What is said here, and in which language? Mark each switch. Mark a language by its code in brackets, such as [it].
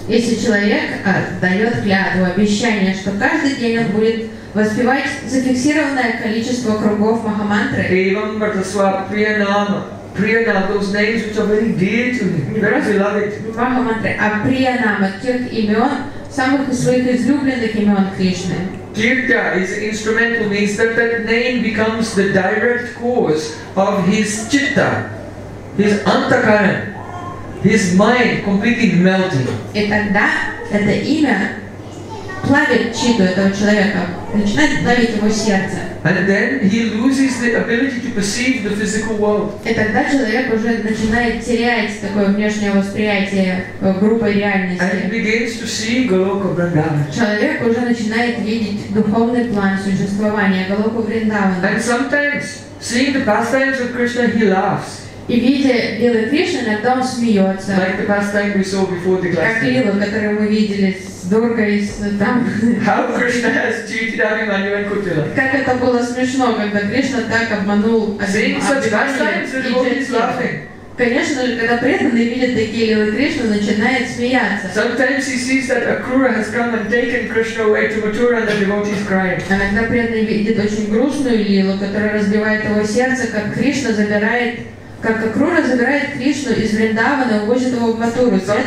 [ru] Если человек дает клятву, обещание, что каждый день он будет воспевать зафиксированное количество кругов Махамантры. [sa] Evam brata sva priyanama. [en] Priyana, those names which are very dear to me, very beloved. [ru] Махамантры, а Приянама, тех имен, самых своих излюбленных имен Кришны. [en] Кирта is instrumental, means that that name becomes the direct cause of his chitta, his antakaran, his mind completely melting. [ru] И тогда это имя плавит читу этого человека, начинает плавить его сердце. [en] And then he loses the ability to perceive the physical world. [ru] И тогда человек уже начинает терять такое внешнее восприятие группы реальности. [en] And he begins to see Галоку Вриндаван. [ru] Человек уже начинает видеть духовный план существования Галоку Вриндавана. [en] And sometimes, seeing the pastimes of Krishna, he laughs. [ru] И видя Лилу Кришну, иногда он смеется. [en] Like the pastime we saw before the class. [ru] Как Лилу, которую мы видели. [en] How Krishna has cheated Abhimanyu and Kutila. [ru] Как это было смешно, когда Кришна так обманул Абхимани. Конечно же, когда преданные видят такие лилы, Кришна начинает смеяться. [en] Sometimes he sees that Akrura has come and taken Krishna away to Mathura and the devotee is crying. [ru] Иногда преданные видят очень грустную лилу, которая разбивает его сердце, как Кришна забирает. Как Акрура забирает Кришну из Вриндавана и увозит его в Матуру,